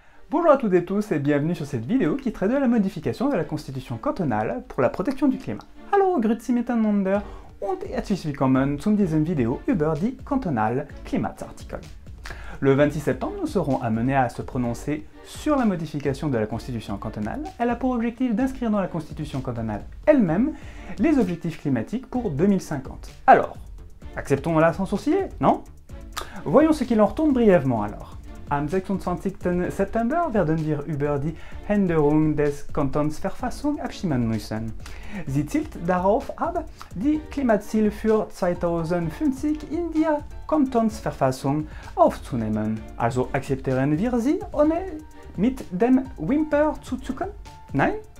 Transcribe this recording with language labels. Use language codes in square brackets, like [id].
[fr] Bonjour à toutes et tous et bienvenue sur cette vidéo qui traite de la modification de la constitution cantonale pour la protection du climat. [de] Alors, grüezi miteinander und herzlich willkommen zu dieser Video über die cantonale Klimaartikel. [fr] Le 26 septembre, nous serons amenés à se prononcer sur la modification de la constitution cantonale. Elle a pour objectif d'inscrire dans la constitution cantonale elle-même les objectifs climatiques pour 2050. Alors, acceptons-la sans sourciller, non? Voyons ce qu'il en retourne brièvement alors. [de] Am 26. September werden wir über die Änderung des Kantonsverfassung abstimmen müssen. Sie zielt darauf ab, die Klimaziele für 2050 in die Kantonsverfassung aufzunehmen. Also akzeptieren wir sie, ohne mit dem Wimper zu zucken? Nein?